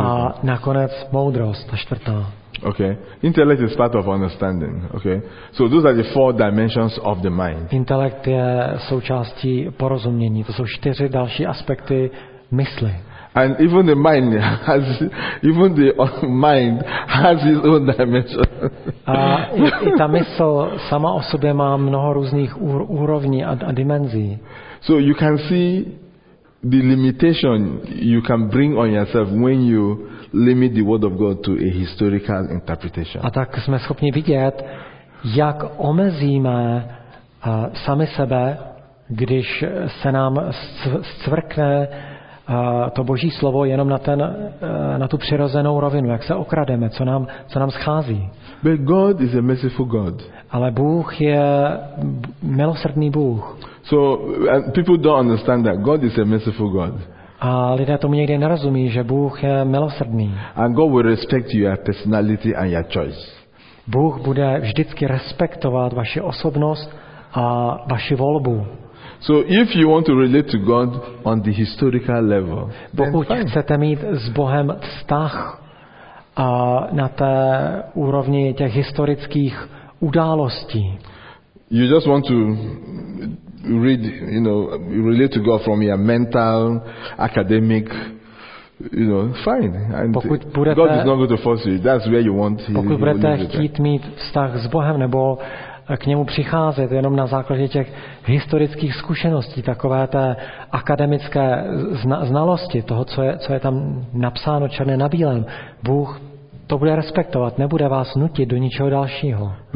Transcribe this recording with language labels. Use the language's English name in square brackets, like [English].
[Czech] A nakonec moudrost, ta čtvrtá. [English] Okay, intellect is part of understanding. Okay, so those are the four dimensions of the mind. [Czech] Intelekt je součástí porozumění. To jsou čtyři další aspekty mysli. [English] And even the mind has, even the mind has its own dimension. [Czech] I ta mysl sama o sobě má mnoho různých úrovní a dimenzí. [English] So you can see the limitation you can bring on yourself when you limit the word of God to a historical interpretation. [Czech] A tak jsme schopni vidět, jak omezíme sami sebe, když se nám zcvrkne to Boží slovo jenom na ten na tu přirozenou rovinu, jak se okrademe, co nám schází. [English] But God is a merciful God. [Czech] Ale Bůh je milosrdný Bůh. [English] So people don't understand that God is a merciful God. [Czech] A lidé tomu někdy nerozumí, že Bůh je milosrdný. [English] And God will respect your personality and your choice. [Czech] Bůh bude vždycky respektovat vaši osobnost a vaši volbu. [English] So if you want to relate to God on the historical level, [Czech] pokud chcete mít s Bohem vztah na té úrovni těch historických událostí. [English] You just want to read, you know, relate to God from your mental, academic, you know, fine. And [Czech] pokud budete, [English] God is not going to force you. That's where you want to. [Czech] Pokud budete chtít mít vztah s Bohem nebo k němu přicházet jenom na základě těch historických zkušeností, takové té akademické znalosti, toho, co je tam napsáno černé na bílém, Bůh to bude respektovat, nebude vás nutit do ničeho dalšího.